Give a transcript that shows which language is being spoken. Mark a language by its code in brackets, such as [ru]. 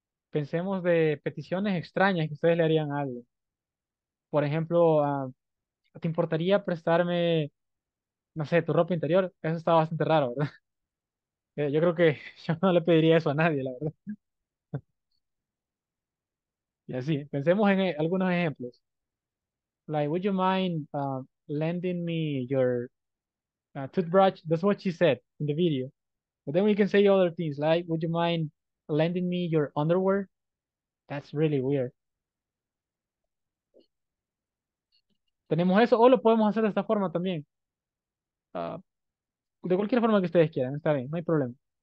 [es] Pensemos de peticiones extrañas que ustedes le harían a alguien. Por ejemplo, ¿te importaría prestarme, no sé, tu ropa interior? Eso está bastante raro, ¿verdad? Yo creo que yo no le pediría eso a nadie, la verdad. Y así, pensemos en algunos ejemplos. [en] Like, would you mind lending me your toothbrush? That's what she said in the video. But then we can say other things, like, would you mind lending me your underwear? That's really weird. [es] Tenemos eso, o lo podemos hacer de esta forma también. De cualquier forma que ustedes quieran, está bien, no hay problema.